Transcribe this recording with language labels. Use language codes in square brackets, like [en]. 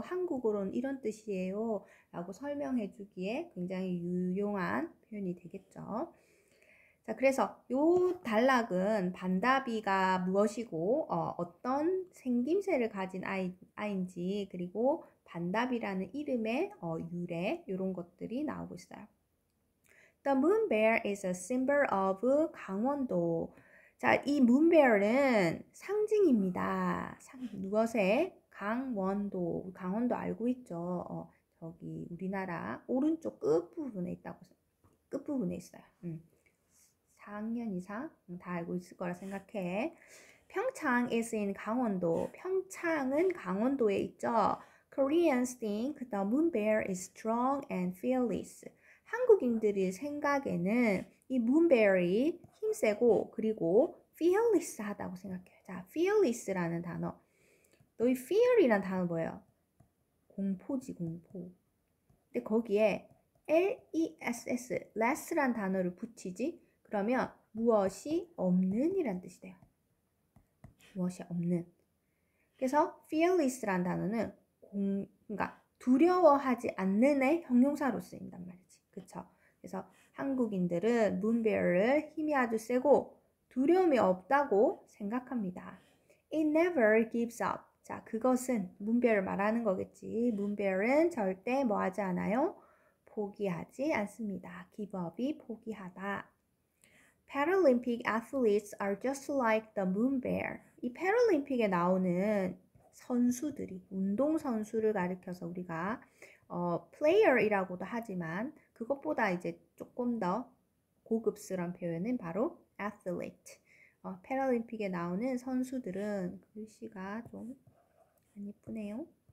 [ko] 한국어로는 이런 뜻이에요라고 설명해주기에 굉장히 유용한 표현이 되겠죠. 자, 그래서 요 단락은 반다비가 무엇이고 어떤 생김새를 가진 아이인지 그리고 반다비라는 이름의 유래 이런 것들이 나오고 있어요. [en] The moon bear is a symbol of 강원도. [ko] 자, 이 moon bear는 상징입니다. 무엇의 강원도? 강원도 알고 있죠? 저기 우리나라 오른쪽 끝부분에 있다고 끝부분에 있어요. 4학년 이상 다 알고 있을 거라 생각해. [en] 평창 is in 강원도. [ko] 평창은 강원도에 있죠. [en] Koreans think the moon bear is strong and fearless. [ko] 한국인들의 생각에는 이 moon bear이 힘세고 그리고 fearless하다고 생각해요. 자, fearless라는 단어. 너희 fear이란 단어 뭐예요? 공포지, 공포. 근데 거기에 less, less란 단어를 붙이지? 그러면 무엇이 없는 이란 뜻이 돼요. 무엇이 없는. 그래서 fearless란 단어는 그러니까 두려워하지 않는 애 형용사로 쓰인단 말이지. 그쵸? 그래서 한국인들은 문별을 힘이 아주 세고 두려움이 없다고 생각합니다. [en] It never gives up. [ko] 자, 그것은 문별을 말하는 거겠지. 문별은 절대 뭐 하지 않아요? 포기하지 않습니다. Give up이 포기하다. [en] Paralympic athletes are just like the moon bear. [ko] 이 패럴림픽에 나오는 선수들이 운동선수를 가리켜서 우리가 player이라고도 하지만 그것보다 이제 조금 더 고급스러운 표현은 바로 athlete. 패럴림픽에 나오는 선수들은 글씨가 좀안 예쁘네요.